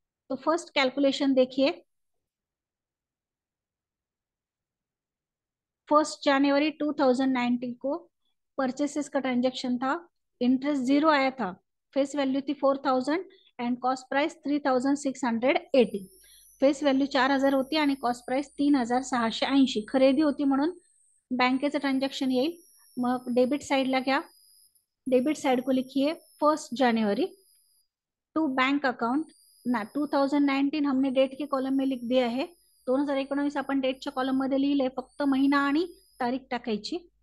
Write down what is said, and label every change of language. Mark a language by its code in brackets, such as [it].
[hi] तो first calculation देखिए, 1 जनवरी 2019 को परचेसेस का ट्रांजेक्शन था, इंटरेस्ट 0 आया था, फेस वैल्यू थी 4000 and cost price 3680। [mr] Face value 4000 होती आणि कॉस्ट प्राइस 3680 खरेदी होती, म्हणून बँकेचं ट्रांजेक्शन येईल। मग डेबिट साइडला घ्या, [hi] डेबिट साइड को लिखिए 1 जनवरी टू बँक अकाउंट। ना 2019 हमने डेट के कॉलम में लिख दिया है, [mr] 2019 आपण डेटच्या कॉलम मध्ये लिहिले, फक्त महिना आणि तारीख टाकायची।